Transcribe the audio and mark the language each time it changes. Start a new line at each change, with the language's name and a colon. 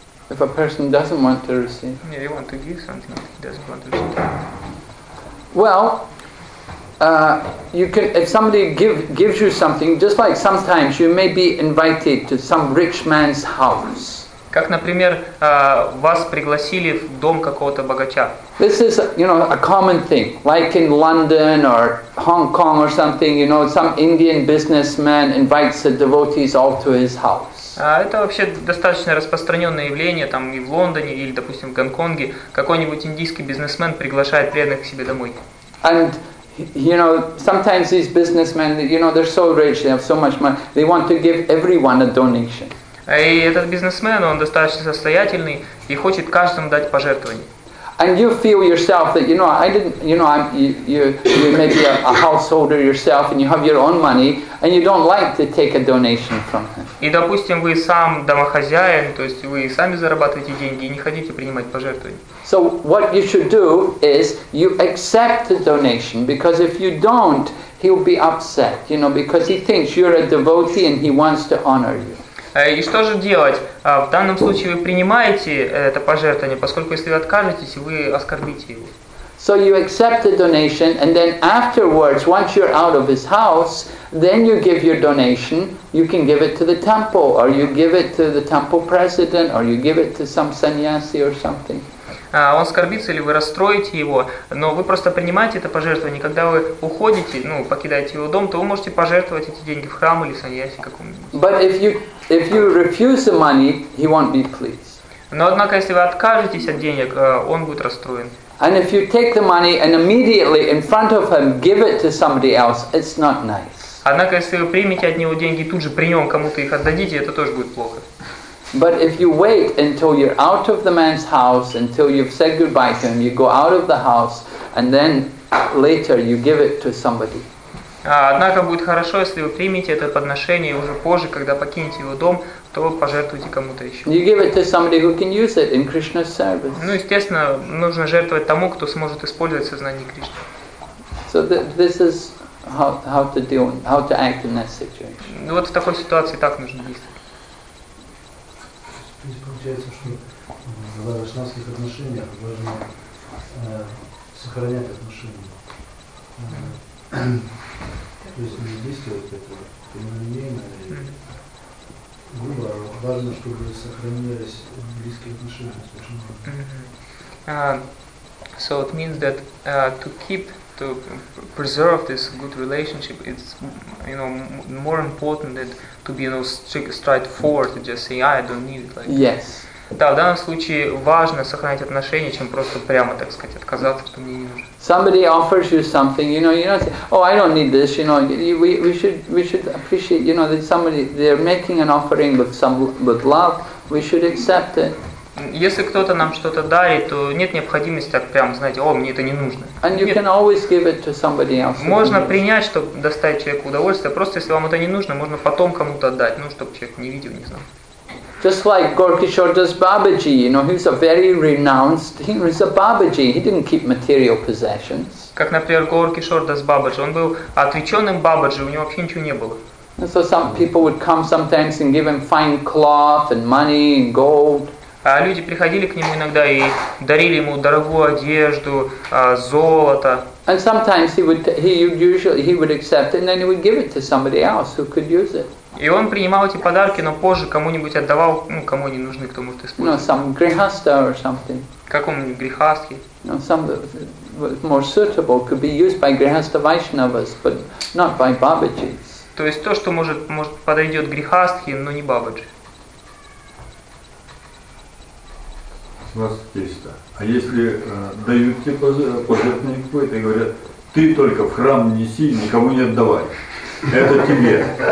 English: If a person doesn't want to receive. Yeah, you want to give something, but he doesn't want to receive. Well, you can if somebody gives you something, just like sometimes you may be invited to some rich man's house.
Russian: Как, например, вас пригласили в дом какого-то богача.
English: This is, you know, a common thing. Like in London or Hong Kong or something, you know, some Indian businessman invites the devotees all to his house.
Russian: Это вообще достаточно распространенное явление, там и в Лондоне, или, допустим, в Гонконге. Какой-нибудь индийский бизнесмен приглашает преданных к себе домой.
English: And, you know, sometimes these businessmen, you know, they're so rich, they have so much money, they want to give everyone a donation.
Russian: И этот бизнесмен, он достаточно состоятельный и хочет каждому дать пожертвование.
English: And you feel yourself that, you know, I didn't, you know, you may be a householder yourself and you have your own money and you don't like to take a donation from him.
Russian: И допустим, вы сам домохозяин, то есть вы сами зарабатываете деньги и не хотите принимать пожертвования.
English: So what you should do is you accept the donation, because if you don't, he'll be upset, you know, because he thinks you're a devotee and he wants to honor you.
Russian: И что же делать? В данном случае вы принимаете это пожертвование, поскольку если вы откажетесь, вы оскорбите его.
English: So you accept the donation, and then afterwards, once you're out of his house, then you give your donation. You can give it to the temple, or you give it to the temple president, or you give it to some sannyasi or something.
Russian: Он оскорбится или вы расстроите его, но вы просто принимаете это пожертвование. Когда вы уходите, ну, покидаете его дом, то вы можете пожертвовать эти деньги в храм или саньяси каком-нибудь.
English: But if you refuse the money, he won't be pleased.
Russian: Но однако, если вы откажетесь от денег, он будет расстроен.
English: And if you take the money and immediately in front of him give it to somebody else, it's not nice.
Russian: Однако, если вы примете от него деньги и тут же при нем кому-то их отдадите, это тоже будет плохо.
English: But if you wait until you're out of the man's house, until you've said goodbye to him, you go out of the house, and then later you give it to somebody.
Russian: Однако будет хорошо, если вы примете это подношение уже позже, когда покинете его дом, то пожертвуйте кому-то еще.
English: You give it to somebody who can use it in Krishna's service.
Russian: Ну, естественно, нужно жертвовать тому, кто сможет использовать сознание Кришны.
English: So this is how to deal, how to act in that situation.
Russian: Вот в такой ситуации так нужно действовать. Получается, что в вайшнавских отношениях важно сохранять отношения. То есть не действовать это прямолинейно и грубо, а важно, чтобы сохранялись близкие отношения с вашим другом.
English: So it means that to keep, to preserve this good relationship, it's, you know, more important than to be, you know, straightforward and just say, I don't need it. Like, yes.
Russian: Да, в данном случае важно сохранять отношения, чем просто прямо, так сказать, отказаться, что мне не нужно.
English: Somebody offers you something, you know, say, oh, I don't need this, you know, we should appreciate, you know, that somebody, they're making an offering with love, we should accept it.
Russian: Если кто-то нам что-то дарит, то нет необходимости так прямо, знаете, о, мне это не нужно.
English: And you can always give it to somebody else.
Russian: Можно принять, чтобы доставить человеку удовольствие. Просто если вам это не нужно, можно потом кому-то отдать, ну, чтобы человек не видел, не знал.
English: Just like Gaurakishore Das Babaji, you know, he's a very renounced, he was a Babaji, he didn't keep material possessions.
Russian: Как, например, Gaurakishore Das Babaji, он был отреченным Бабаджи, у него вообще ничего не было.
English: And so some people would come sometimes and give him fine cloth and money and gold.
Russian: А люди приходили к нему иногда и дарили ему дорогую одежду, золото.
English: And sometimes he would accept it, and then he would give it to somebody else who could use it.
Russian: И он принимал эти подарки, но позже кому-нибудь отдавал, ну, кому они нужны, кто может использовать.
English: No, some grihastha or something.
Russian: Какому-нибудь грихастхе.
English: No, some more suitable could be used by grihastha Vaishnavas, but not by Babajis.
Russian: То есть то, что может подойдет грихастхе, но не Бабаджи. У нас есть-то. А если дают тебе пожертвование какое-то и говорят, ты только в храм неси, никому не отдавай. Это тебе.